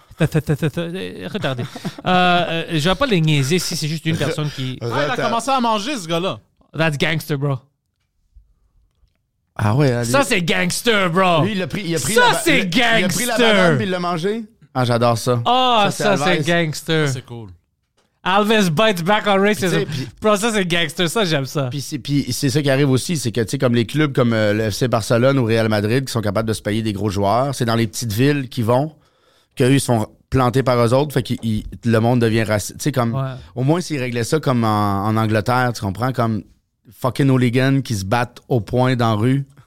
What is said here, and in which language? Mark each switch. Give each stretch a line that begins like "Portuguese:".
French: Retardé. Je vais pas les niaiser si c'est juste une personne qui... Ah, il a commencé à manger, ce gars-là.
English: That's gangster, bro.
French: Ah ouais, ça c'est gangster, bro. Lui il a pris ça c'est gangster. Il a pris la banane puis il l'a mangé. Ah j'adore ça. Oh ça c'est gangster. Ça, c'est cool.
English: Alves bites back on racism.
French: Bro, ça c'est gangster, ça j'aime ça. Puis c'est ça qui arrive aussi, c'est que tu sais comme les clubs comme le FC Barcelone ou Real Madrid qui sont capables de se payer des gros joueurs, c'est dans les petites villes qu'ils vont qu'eux sont plantés par eux autres, fait que le monde devient raciste. Tu sais comme ouais. Au moins s'ils réglaient ça comme en Angleterre, tu comprends comme. Fucking hooligans qui se battent au poing dans la rue.